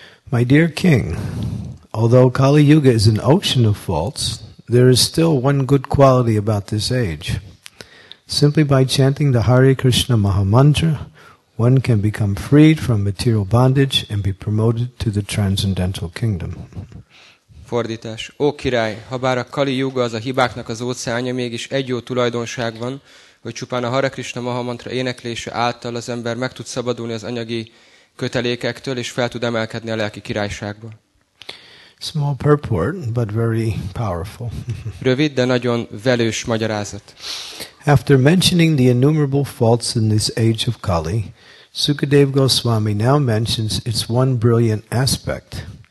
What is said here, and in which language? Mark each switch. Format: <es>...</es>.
<en>My dear king, although Kali Yuga is an ocean of faults, there is still one good quality about this age. Simply by chanting the Hare Krishna Maha Mantra, one can become freed from material bondage and be promoted to the transcendental kingdom.</en> <hu>Fordítás. Ó király, ha bár a Kali Yuga az a hibáknak az óceánja, mégis egy jó tulajdonság van, hogy csupán a Hare Krishna Maha Mantra éneklése által az ember meg tud szabadulni az anyagi kötelékektől, és fel tud emelkedni a lelki királyságba.</hu> <en>Small purport, but very powerful.</en> <hu>Rövid, de nagyon velős magyarázat.</hu> <en>After mentioning the innumerable faults in this age of Kali, Sukadev Goswami now mentions its one brilliant aspect.</en>